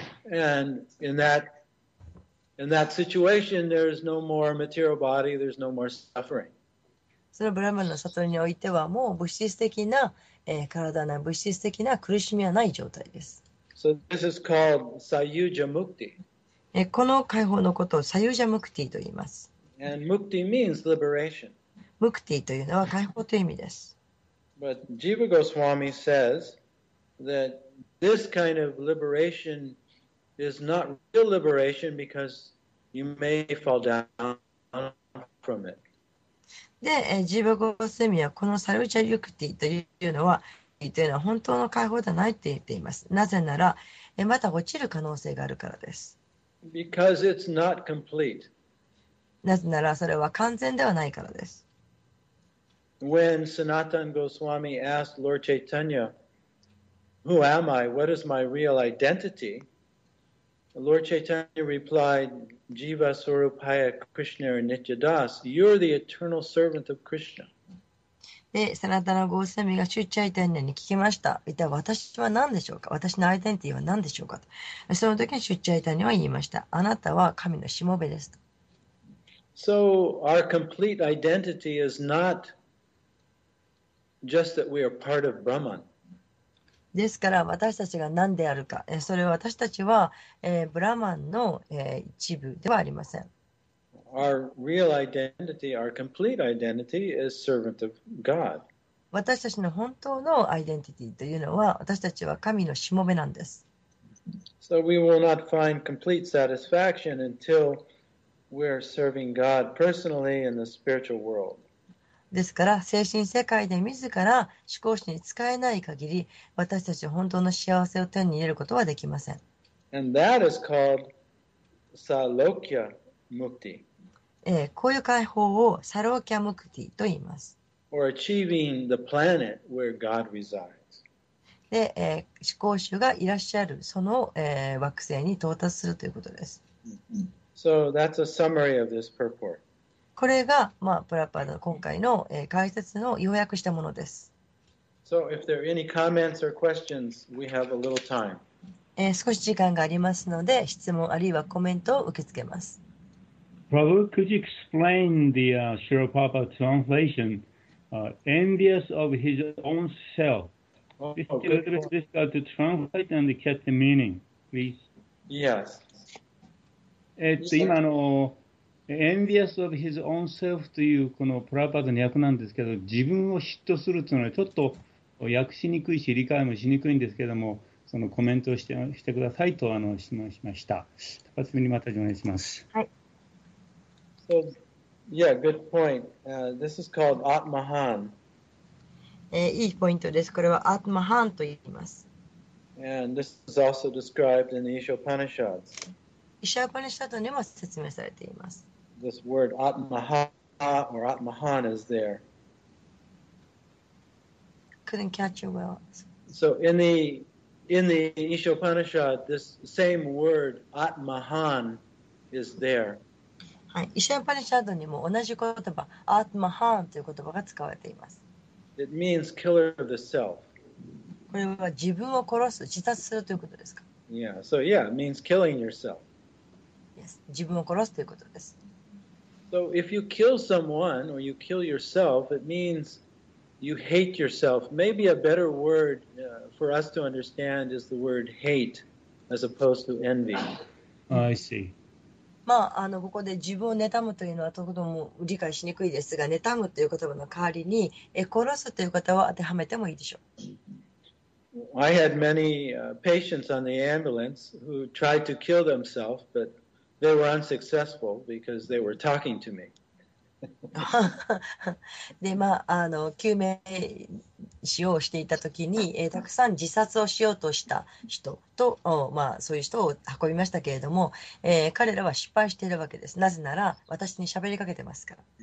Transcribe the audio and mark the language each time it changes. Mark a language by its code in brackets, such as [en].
[en] And in that situation, there is no more material body, there's no more suffering. [ja] そのブラマンの悟りにおいては、もう物質的な、体な、物質的な苦しみはない状態です。 [en] So this is called Sayuja Mukti. [ja] この解放のことを Sayuja Mukti と言います。 [en] And Mukti means liberation. [ja] Mukti というのは解放という意味です。 [en] But Jiva Goswami says that this kind of liberation is not real liberation because you may fall down from it. [ja] で、Jiva Goswami はこのサルチャリュクティというのは本当の解放ではないと言っています。なぜなら、また落ちる可能性があるからです。 [en] Because it's not complete. [ja] なぜならそれは完全ではないからです。 [en] When Sanatan Goswami asked Lord Chaitanya, "Who am I? What is my real identity?" Lord Chaitanya replied, [sa] "Jiva Swarupaya Krishna Nitya Das. [en] You're the eternal servant of Krishna." [ja] で、Sanatan Goswami が Lord Chaitanya に聞きました。一体私は何でしょうか？私のアイデンティティは何でしょうか？と。その時に Lord Chaitanya は言いました。あなたは神のしもべです。 [en] So our complete identity is not just that we are part of Brahman. [ja] ですから私たちが何であるか、それは私たちは、ブラマンの、一部ではありません。 [en] Our real identity, our complete identity is servant of God. [ja] 私たちの本当のアイデンティティというのは、私たちは神のしもべなんです。 [en] So we will not find complete satisfaction until we are serving God personally in the spiritual world. [ja] ですから精神世界で自ら思考主に使えない限り、私たちは本当の幸せを手に入れることはできません。 [en] And that is called Salokya Mukti. [ja] こういう解放をサロキャムクティと言います。 [en] Or achieving the planet where God resides. [ja] で、思考主がいらっしゃるその、惑星に到達するということです。 [en] So that's a summary of this purport. [ja] これが、まあ、プラッパーダの今回の、解説の要約したものです。 [en] So if there are any comments or questions, we have a little time. [ja] 少し時間がありますので、質問あるいはコメントを受け付けます。 [en] Prabhu, could you explain the Srila Prabhupada translation, envious of his own self? This got to translate and catch the meaning, please. Yes. [ja] 今の [en] Envious of his own self [ja] というこのプラパーダの訳なんですけど、自分を嫉妬するというのはちょっと訳しにくいし理解もしにくいんですけども、そのコメントをしてくださいと質問しました。高須にまたお願いします。はい。 [en] So, yeah, good point. This is called Atmahan. [ja] いいポイントです。これは Atmahan と言います。 [en] And this is also described in the Ishopanishads. [ja] イシャーパニシャドにも説明されています。 [en] This word Atmaha or Atmahan is there. Couldn't catch you well. So in the Ishopanishad, this same word Atmahan is there. [ja] はい、イシャーパニシャドにも同じ言葉 Atmahan という言葉が使われています。 [en] It means killer of the self. [ja] これは自分を殺す、自殺するということですか？ [en] Yeah. So yeah, it means killing yourself. Yes. [ja] 自分を殺すということです。 [en] So if you kill someone or you kill yourself, it means you hate yourself. Maybe a better word for us to understand is the word hate as opposed to envy. I see. [ja] まあ、あのここで自分を妬むというのはとても理解しにくいですが、妬むという言葉の代わりに、殺すという言葉を当てはめてもいいでしょう。 [en] I had many patients on the ambulance who tried to kill themselves, but they were unsuccessful because they were talking to me. [ja] で、まあ、あの救命士をしていた時に、たくさん自殺をしようとした人と、まあ、そういう人を運びましたけれども、彼らは失敗しているわけです。なぜなら私に喋りかけてますから。